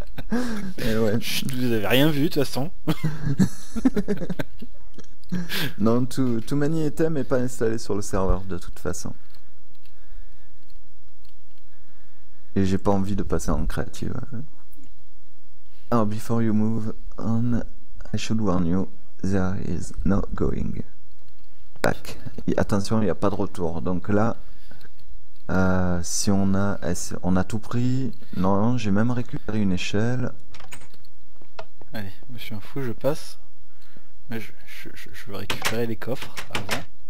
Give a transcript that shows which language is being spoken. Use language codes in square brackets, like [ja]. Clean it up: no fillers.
[fr] Vous avez rien vu de toute façon. Non, tout manie était mais pas installé sur le serveur de toute façon. Et j'ai pas envie de passer en créative. [en] Alors, before you move on, I should warn you, there is no going back. [fr] Et attention, il n'y a pas de retour. Donc là, si on a tout pris, non, j'ai même récupéré une échelle. Allez, monsieur un fou, je passe. Mais je veux récupérer les coffres avant.